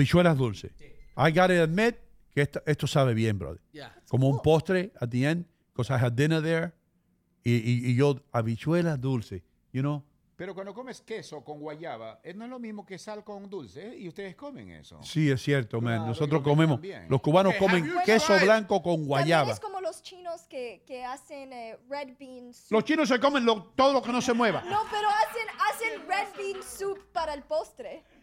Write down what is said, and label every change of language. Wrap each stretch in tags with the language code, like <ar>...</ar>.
<es>Habichuelas dulces. Sí. I gotta admit que esto sabe bien, brother.</es> <en>Yeah. Como un postre at the end, because I had dinner there, y yo, habichuelas dulces, you know.</en> <es>Pero cuando comes queso con guayaba, no es lo mismo que sal con dulce, ¿eh? Y ustedes comen eso. Sí, es cierto, man. Claro, nosotros comemos, también. Los cubanos comen queso blanco con guayaba. También es como los chinos que hacen red bean soup. Los chinos se comen todo lo que no se mueva. No, pero hacen red bean soup para el postre.</es>